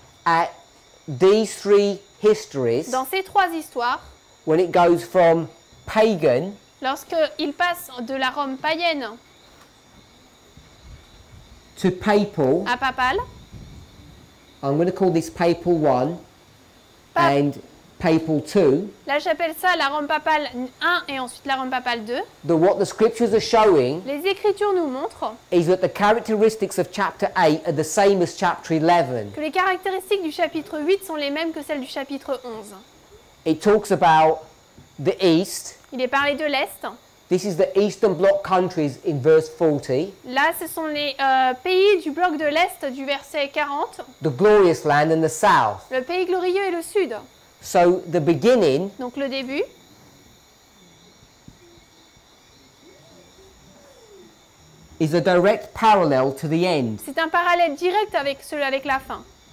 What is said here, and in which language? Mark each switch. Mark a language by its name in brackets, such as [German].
[English] at these three histories, [French] dans ces trois histoires, [English] when it goes from pagan, [French] lorsque il passe de la Rome païenne, [English] to papal, [French] à papal, [English] I'm going to call this papal one and papal two. [French] Là, j'appelle ça la Rome papale 1 et ensuite la Rome papale 2. [English] What the scriptures are showing. [French] Les écritures nous montrent. [English] Is that the characteristics of chapter 8 are the same as chapter 11. [French] Que les caractéristiques du chapitre 8 sont les mêmes que celles du chapitre 11. [English] It talks about the east. [French] Il est parlé de l'est. [English] This is the eastern bloc countries in verse 40. [French] Là, ce sont les pays du bloc de l'est du verset 40. [English] The glorious land and the south. [French] Le pays glorieux et le sud. [English] So the beginning. [French] Donc le début. [English] Is a direct parallel to the end. [French] C'est un parallèle direct avec celui avec la fin.